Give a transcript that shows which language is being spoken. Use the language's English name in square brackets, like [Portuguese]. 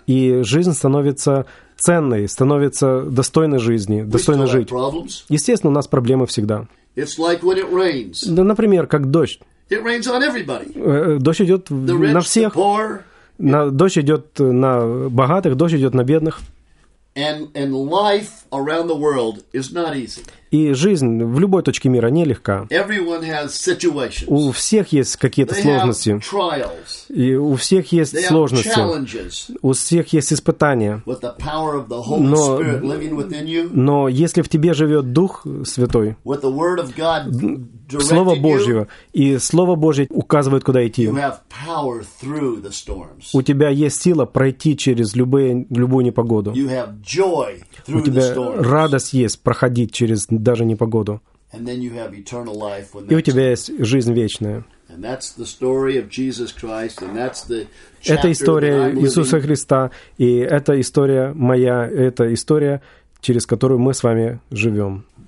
[Russian] И жизнь становится ценной, становится достойной жизни, достойной жить. [English] Problems. [Russian] Естественно, у нас проблемы всегда. [English] It's like when it rains. [Russian] Да, например, как дождь. [English] It rains on everybody. [Russian] Дождь идет [English] the rich, [Russian] на всех. [English] The poor, [Russian] на, yeah. Дождь идет на богатых, дождь идет на бедных. [English] And life around the world is not easy. [Russian] И жизнь в любой точке мира нелегка. [English] Everyone has situations. [Russian] У всех есть какие-то сложности. [English] They have trials. [Russian] И у всех есть [English] They [Russian] сложности. [English] Have challenges. [Russian] У всех есть испытания. [English] With the power of the Holy Spirit living within you. [Russian] Но если в тебе живет Дух Святой, [English] with the Word of God directing [Russian] Слово Божье, и Слово Божье указывает, куда идти, [English] you have power through the storms. [Russian] У тебя есть сила пройти через любую непогоду. [English] You have joy through [Russian] у тебя [English] the storms. [Russian] Радость есть проходить через даже не погоду. И у тебя есть жизнь вечная. Это история Иисуса Христа, и это история моя, это история, через которую мы с вами живем.